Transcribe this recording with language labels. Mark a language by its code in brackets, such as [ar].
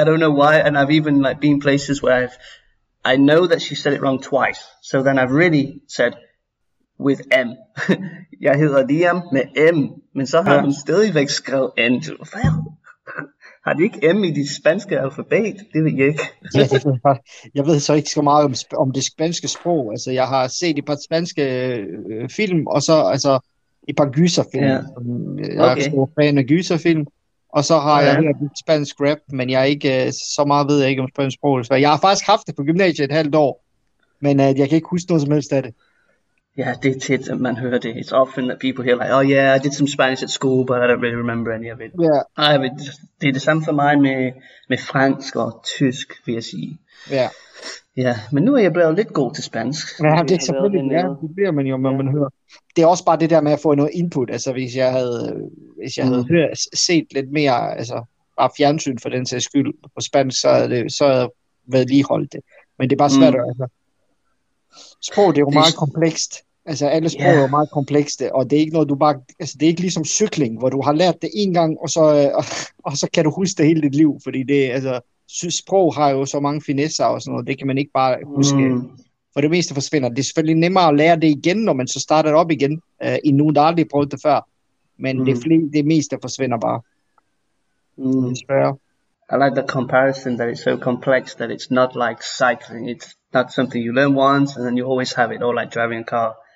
[en] Yeah, I don't know why, and I've even like been places where I know that she said it wrong twice. So then I've really said with M. [da] Jeg hedder Liam med M, men så har hun stadigvæk skrevet N. Hvad? Har de ikke M i det spanske alfabet? Det ved jeg ikke. Jeg ved så ikke så meget om det spanske sprog. Altså, jeg har set et par spanske film, og så altså et par gyserfilm. [en] Yeah. [da] Jeg er stor fan af gyserfilm, og så har jeg hørt lidt spansk rap, men jeg er ikke så meget ved jeg ikke om spansk sprog. Så jeg har faktisk haft det på gymnasiet et halvt år, men jeg kan ikke huske noget som helst af det. Ja, yeah, det er tit, at man hører det. [en] It's often that people hear like, oh yeah, I did some Spanish at school, but I don't really remember any of it. Yeah. I mean, [da] det er det samme for mig med fransk og tysk, vil jeg sige. Ja. Yeah. Ja, yeah, men nu er jeg blevet lidt god til spansk. Ja, det er selvfølgelig, ja, det bliver man jo, når man hører. Det er også bare det der med at få noget input, altså hvis jeg havde hørt, set lidt mere, altså bare fjernsyn for den sags skyld på spansk, så havde jeg været ligeholdt det. Men det er bare svært, altså. Sprog, det er jo meget komplekst. Altså alle sprog er jo meget komplekste, og det er ikke noget, du bare, altså det er ikke ligesom cykling, hvor du har lært det en gang, og så kan du huske det hele dit liv, fordi det altså... Sprog har jo så mange finesser og sådan noget, det kan man ikke bare huske. For det meste forsvinder. Det er selvfølgelig nemmere at lære det igen, når man så starter op igen, end nogen, der aldrig prøvede det før. Men det meste forsvinder bare. [en] I like the comparison that it's so complex that it's not like cycling. It's not something you learn once and then you always have it, or like driving a car.